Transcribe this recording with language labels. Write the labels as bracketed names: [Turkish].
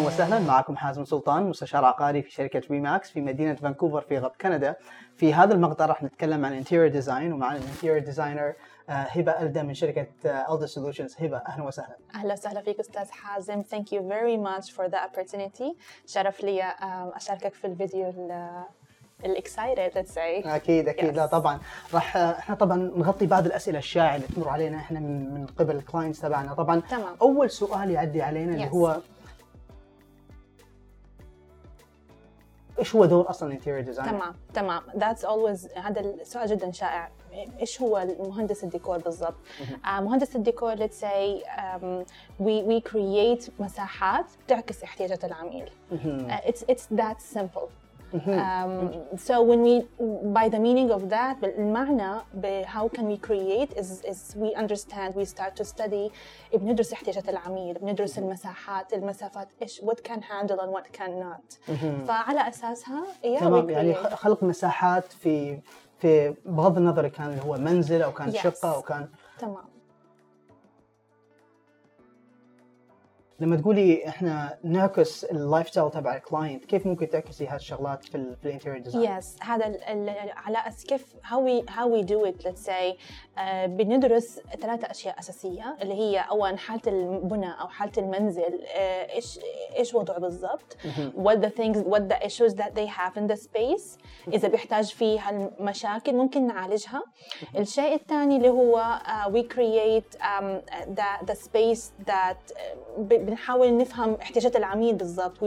[Arabic] معكم حازم سلطان، مستشار عقاري في شركة ريماكس في مدينة فانكوفر في غرب كندا. في هذا المقطع راح نتكلم عن interior design، ومع الانتيرير ديزاينر هبة ألدا من شركة Alda Solutions. هبة، أهلا وسهلا. أهلا وسهلا فيك أستاذ حازم. [English] Thank you very much for the opportunity. [Arabic] شرف لي أشاركك في الفيديو [English] الاكسايتد let's see. [Arabic] أكيد أكيد. Yes. لا طبعا راح إحنا طبعا نغطي بعض الأسئلة الشائعة اللي تمر علينا إحنا من قبل الكلاينتس تبعنا. طبعا تمام. أول سؤال يعدي علينا اللي هو إيش هو دور أصلا interior designer؟ تمام. [English] That's always [Arabic] هذا السؤال جدا شائع. إيش هو مهندس الديكور بالضبط؟ مهندس الديكور [English] let's say we create [Arabic] مساحات تعكس احتياجات العميل. [English] It's that simple. So when we by the meaning of that بالمعنى how can we create is we understand we start to study [Arabic] بندرس احتياجات العميل بندرس المساحات المسافات إيش [English] what can handle and what cannot. [Arabic] فعلى أساسها يعني خلق مساحات في بغض النظر كان هو منزل أو كان شقة أو كان تمام. لما تقولي إحنا نعكس اللايف ستايل تبع الكلاينت، كيف ممكن تعكسي هالشغلات في الانتيريور ديزاين؟ yes هذا على أساس كيف [English] how we do it let's say [Arabic] بندرس ثلاثة أشياء أساسية اللي هي أولاً حالة البناء أو حالة المنزل إيش وضعه بالضبط. [English] what the issues that they have in the space. [Arabic] إذا بيحتاج فيه هالمشاكل ممكن نعالجها. الشيء الثاني اللي هو [English] we create the space that [Arabic] بنحاول نفهم احتياجات العميل بالضبط.